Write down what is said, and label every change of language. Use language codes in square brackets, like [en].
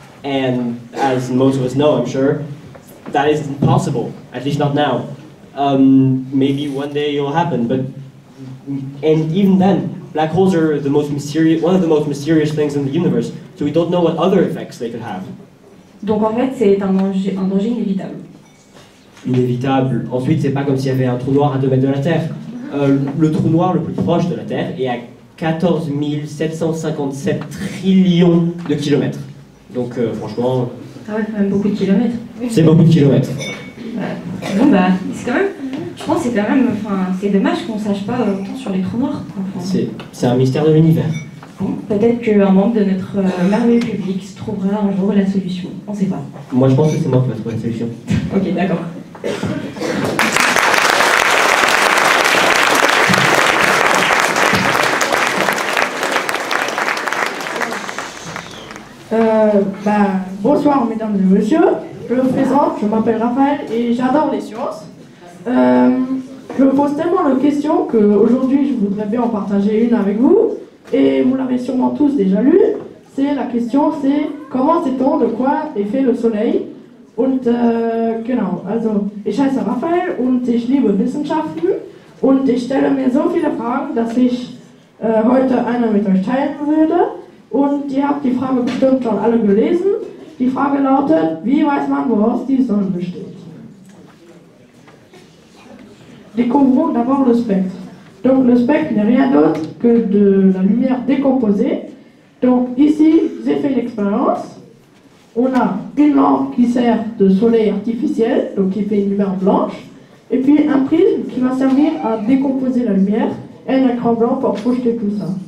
[en] And as most of us know, I'm sure, that is impossible, at least not now. Maybe one day it'll happen, but and even then, black holes are one of the most mysterious things in the universe, so we don't know what other effects they could have. [fr] Donc en fait, c'est un danger inévitable. Inévitable. Ensuite, c'est pas comme s'il y avait un trou noir à 2 mètres de la Terre. Le trou noir le plus proche de la Terre est à 14 757 trillions de kilomètres. Donc franchement... Ah ouais, quand même beaucoup de kilomètres. C'est beaucoup de kilomètres. Bon bah, c'est quand même, je pense que c'est quand même, enfin, c'est dommage qu'on sache pas autant sur les trous noirs. Enfin, c'est un mystère de l'univers. Bon, peut-être qu'un membre de notre merveilleux public se trouvera un jour la solution, on sait pas. Moi je pense que c'est moi qui vais trouver la solution. Ok, d'accord. Bonsoir mesdames et messieurs. Je me présente, je m'appelle Raphaël et j'adore les sciences. Je me pose tellement de questions qu'aujourd'hui je voudrais bien en partager une avec vous. Et vous l'avez sûrement tous déjà lu. C'est la question, c'est comment sait-on de quoi est fait le soleil? [de] Und genau, also ich heiße Raphaël und ich liebe Wissenschaften und ich stelle mir so viele Fragen, dass ich heute eine mit euch teilen würde. Und ihr habt die Frage bestimmt schon alle gelesen. Die Frage lautet, wie weiß man, woraus die Sonne besteht? [fr] Découvrons d'abord le spectre. Donc le spectre n'est rien d'autre que de la lumière décomposée. Donc ici, j'ai fait l'expérience. On a une lampe qui sert de soleil artificiel, donc qui fait une lumière blanche. Et puis un prisme qui va servir à décomposer la lumière et un écran blanc pour projeter tout ça.